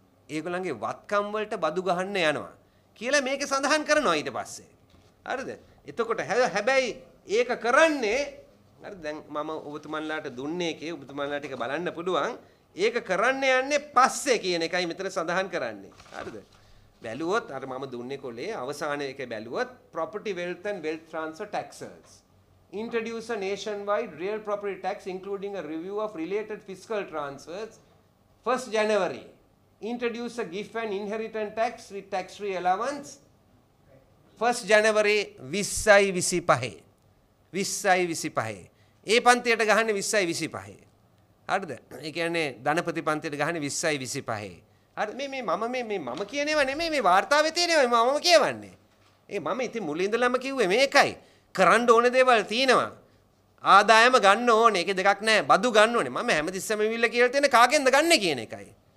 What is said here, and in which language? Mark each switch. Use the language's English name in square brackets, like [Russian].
[Sinhala] ඒගොල්ලන්ගේ වත්කම් වලට බදු ගහන්න යනවා කියලා මේක සඳහන් කරනවා ඊට පස්සේ. හරිද? එතකොට හැබැයි ඒක කරන්නේ හරි දැන් මම ඔබතුමන්ලාට දුන්නේ එකේ ඔබතුමන්ලා ටික බලන්න පුළුවන්. ඒක කරන්න යන්නේ පස්සේ කියන එකයි මෙතන සඳහන් කරන්නේ. හරිද? බැලුවොත් අර මම දුන්නේ කොලේ අවසානයේ එක බැලුවොත් [English] property wealth and wealth transfer taxes introduce a nationwide real property tax including a review of related fiscal transfers 1st January introduce a gift and inheritance tax with tax free allowance 1st January [Sinhala] 20යි 25යි ඒ පන්තියට ගහන්නේ 20යි 25. හරිද? ඒ කියන්නේ ධනපති පන්තියට ගහන්නේ 20යි 25. හරි මම කියනේවා නෙමෙයි මේ වார்த்தාවේ තියෙනේවා මමම කියවන්නේ. ඒ මම ඉතින් මුලින්දලම කිව්වේ මේකයි. කරන්න ඕන දේවල් තියෙනවා. ආදායම ගන්න ඕනේ. ඒකේ දෙකක් නැහැ. බදු ගන්න ඕනේ. මම හැමතිස්සෙම විල්ල කියලා තියෙන කාගෙන්ද ගන්නෙ කියන එකයි.